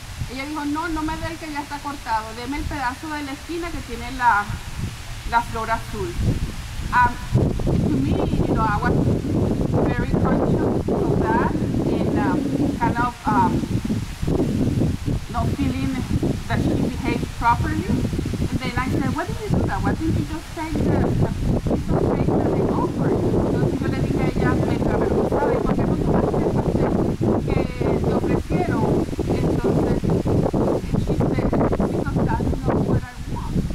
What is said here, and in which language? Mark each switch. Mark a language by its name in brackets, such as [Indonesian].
[Spanish] Ella dijo, no, no me dé el que ya está cortado, deme el pedazo de la esquina que tiene la flor azul. [English] To me, you know, I was very conscious of that, and kind of not feeling that she behaved properly. And then I said, what did you do that? Why didn't you just take the piece of cake that they offered? [Spanish] Entonces yo le dije a ella, me avergonzaba, ¿y por qué no tomaste el pastel que te ofrecieron? Entonces, [English] she said, because that's not what I want.